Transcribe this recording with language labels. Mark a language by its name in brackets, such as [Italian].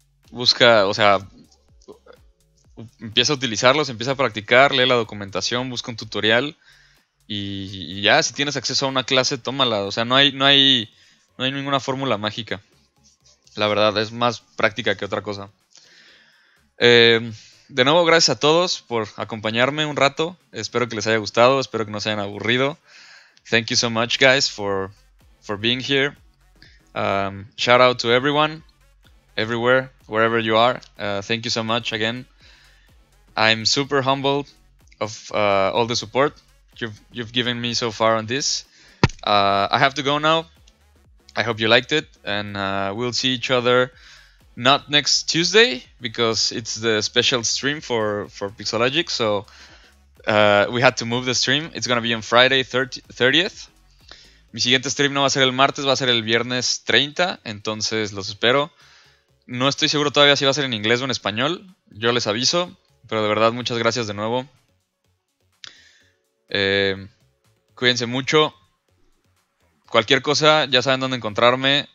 [Spanish] Busca, o sea, empieza a utilizarlos, empieza a practicar, lee la documentación, busca un tutorial y ya, si tienes acceso a una clase, tómala. O sea, no hay ninguna fórmula mágica. La verdad, es más práctica que otra cosa. de nuevo, gracias a todos por acompañarme un rato. Espero que les haya gustado, espero que no se hayan aburrido. [English] Thank you so much, guys, for being here. Shout out to everyone, everywhere, wherever you are. Thank you so much again. I'm super humbled of all the support you've given me so far on this. I have to go now. I hope you liked it, and we'll see each other not next Tuesday, because it's the special stream for Pixelogic, so we had to move the stream. It's going to be on Friday 30th. [Spanish] Mi siguiente stream no va a ser el martes, va a ser el viernes 30, entonces los espero. No estoy seguro todavía si va a ser en inglés o en español, yo les aviso, pero de verdad muchas gracias de nuevo. Cuídense mucho. Cualquier cosa, ya saben dónde encontrarme.